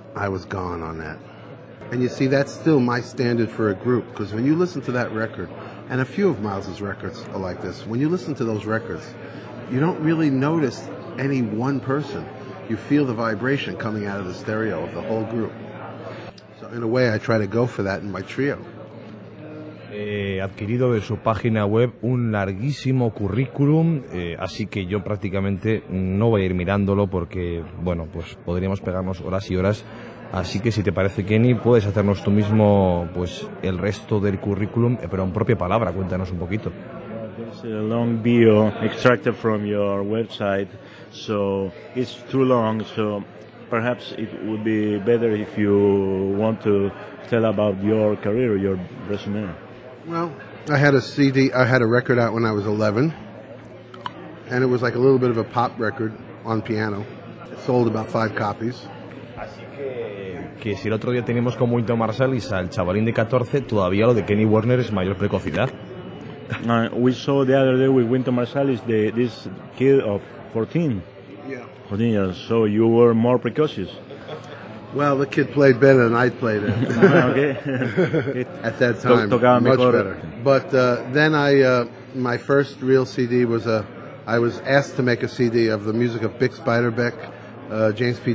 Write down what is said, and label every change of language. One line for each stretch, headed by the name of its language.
English: I was gone on that. And you see, that's still my standard for a group, because when you listen to that record, and a few of Miles's records are like this, when you listen to those records, you don't really notice any one person. You feel the vibration coming out of the stereo of the whole group. So in a way, I try to go for that in my trio.
Spanish: Adquirido de su página web un larguísimo currículum, así que yo prácticamente no voy a ir mirándolo porque, bueno, pues podríamos pegarnos horas y horas. Así que si te parece, Kenny, puedes hacernos tú mismo pues el resto del currículum, pero en propia palabra, cuéntanos un poquito.
English: There's a long bio extracted from your website, so it's too long, so perhaps it would be better if you want to tell about your career, your resume. Well, I had a CD, I had a record out when I was 11, and it was like a little bit of a pop record on piano. It sold about 5 copies.
Spanish: Así que si el otro día teníamos con Wynton Marsalis al chavalín de 14, todavía lo de Kenny Werner es mayor precocidad.
English: We saw the other day with Wynton Marsalis this kid of 14. Yeah. 14 years, so you were more precocious. Well, the kid played better than I played it. Okay. At that time, much better. But then I, my first real CD was I was asked to make a CD of the music of Bix Beiderbecke, James P.